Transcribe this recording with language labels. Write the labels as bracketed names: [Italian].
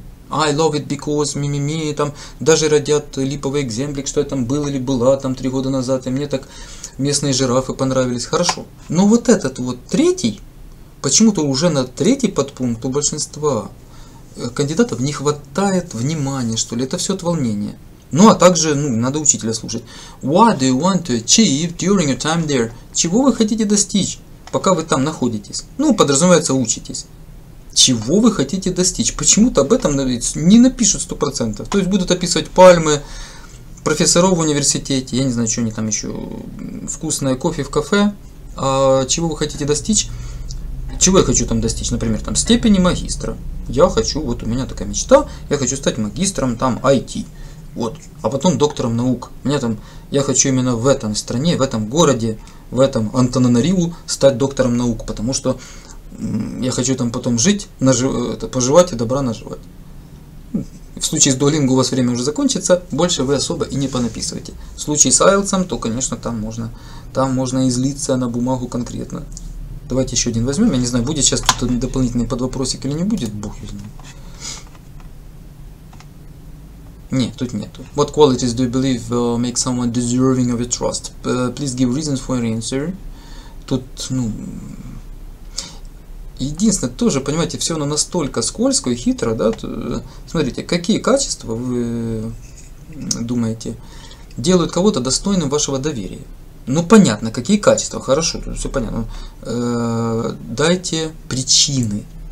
[English] I love it because, [Russian] там даже родят липовый экземплик, что я там был или была там 3 года назад, и мне так местные жирафы понравились, хорошо. Но вот этот вот третий, почему-то уже на третий подпункт у большинства кандидатов не хватает внимания, что ли, это все от волнения. Ну а также, ну, надо учителя слушать. [English] What do you want to achieve during your time there? [Russian] Чего вы хотите достичь, пока вы там находитесь? Ну, подразумевается, учитесь. Чего вы хотите достичь? Почему-то об этом не напишут 100%. То есть будут описывать пальмы, профессоров в университете, я не знаю, что они там еще, вкусное кофе в кафе. А чего вы хотите достичь? Чего я хочу там достичь? Например, там степени магистра. Я хочу, вот у меня такая мечта, я хочу стать магистром там IT. Вот. А потом доктором наук. У меня там, я хочу именно в этом стране, в этом городе, в этом Антананариву стать доктором наук, потому что я хочу там потом жить, поживать и добра наживать. В случае с Duolingo у вас время уже закончится, больше вы особо и не понаписывайте. В случае с IELTS, то, конечно, там можно излиться на бумагу конкретно. Давайте еще один возьмем. Я не знаю, будет сейчас тут дополнительный подвопросик или не будет, бог его знает. Нет, тут нету. [English] What qualities do you believe make someone deserving of your trust? Please give reasons for your answer. [Russian] Тут, ну... Единственное, тоже, понимаете, все оно настолько скользко и хитро, да, смотрите, какие качества, вы думаете, делают кого-то достойным вашего доверия. Ну, понятно, какие качества, хорошо, тут все понятно. Дайте причины.